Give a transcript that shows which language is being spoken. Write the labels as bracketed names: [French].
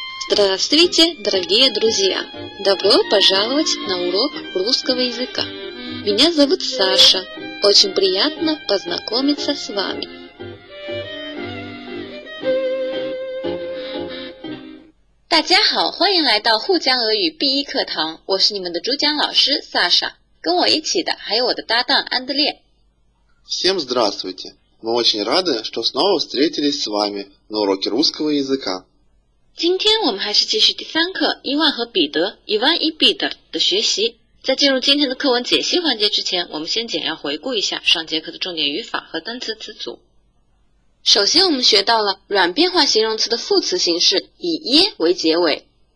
[Russian] Здравствуйте, дорогие друзья! Добро пожаловать на урок русского языка. Меня зовут Саша. Очень приятно познакомиться с вами. [Chinese] Татьяна, 欢迎来到沪江俄语 B1 课堂。我是你们的珠江老师 Саша。跟我一起的还有我的搭档安德烈。 [Russian] Всем здравствуйте! Мы очень рады, что снова встретились с вами на уроке русского языка. [Chinese] 今天我们还是继续第三课伊万和彼得 Иван и Питер 的学习。在进入今天的课文解析环节之前，我们先简要回顾一下上节课的重点语法和单词词组。首先我们学到了软变化形容词的副词形式以耶为结尾。